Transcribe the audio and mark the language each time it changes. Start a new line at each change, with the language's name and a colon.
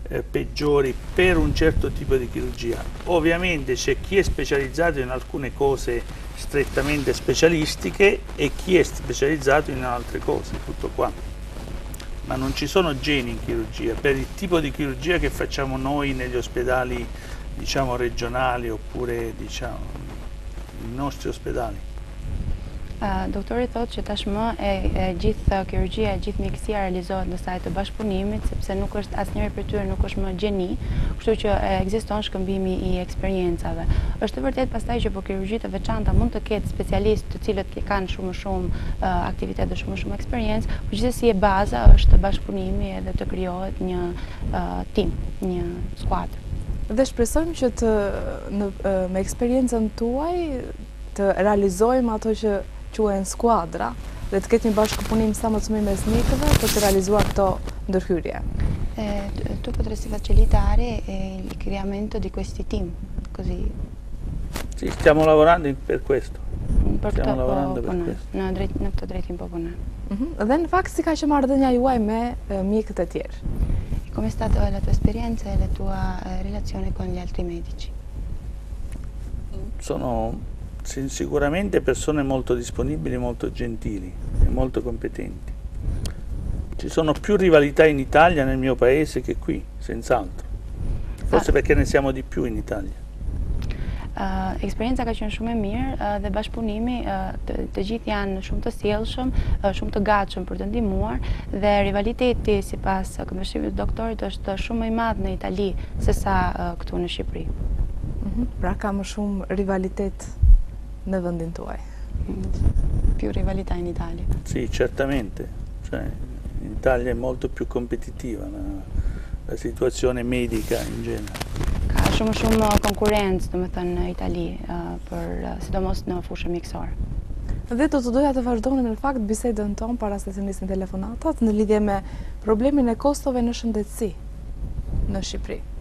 Italian: peggiori per un certo tipo di chirurgia. Ovviamente c'è chi è specializzato in alcune cose strettamente specialistiche e chi è specializzato in altre cose, tutto qua. Ma non ci sono geni in chirurgia. Per il tipo di chirurgia che facciamo noi negli ospedali, diciamo regionali oppure diciamo i nostri ospedali.
Albanian: Doktori thotë që tashmë e gjithë kirurgjia e gjithë mjekësia realizohet në sajtë të bashkëpunimit, sepse nuk është asnjëri prej tyre nuk është më gjeni, kështu që ekziston shkëmbimi i eksperiencave. Është të vërtetë pastaj që po kirurgji të veçanta mund të ketë specialistë të cilët kanë shumë aktivitet dhe shumë eksperiencë, por gjithsesi e baza është bashkëpunimi edhe të krijohet një tim, një skuadër. Dhe shpresojmë që të me eksperiencën tuaj të realizojmë ato që quhen skuadra dhe të ketë një bashkëpunim sa më të mirë mes mjekëve për të realizuar këto ndërhyrje.
Italian: Tu potresti facilitare il creamento di questi team, così. Sì, stiamo lavorando per questo. Stiamo lavorando per
Albanian: Në
Italian: questo.
Albanian: këtë drejtim po punoj. Dhe në fakt, si ka që marrë dhënja juaj me mjekët e tjerë?
Italian: Come sta la tua esperienza e la tua relazione con gli altri medici? Sono sicuramente persone molto disponibili, molto gentili e molto competenti. Ci sono più rivalità in Italia, nel mio paese, che qui, senz'altro. Forse perché ne siamo di più in Italia.
Albanian: Eksperienca ka qenë shumë e mirë dhe bashkëpunimi, të gjithë janë shumë të sjellshëm, shumë të gatshëm për të ndihmuar dhe rivaliteti sipas këndvështrimit të doktorit është shumë më i madh në Itali se sa këtu në Shqipëri. Pra ka më shumë rivalitet në vendin tuaj.
Italian: Più rivalità in Italia. Sì, certamente. Cioè, in Italia è molto più competitiva la situazione medica in genere.
Albanian: Shumë konkurrencë, do të thënë, në Itali, sidomos në fushën mjekësore. Dhe do të doja të vazhdojmë në fakt bisedën tonë para se të nisin telefonatat në lidhje me problemin e kostove në shëndetësi në Shqipëri.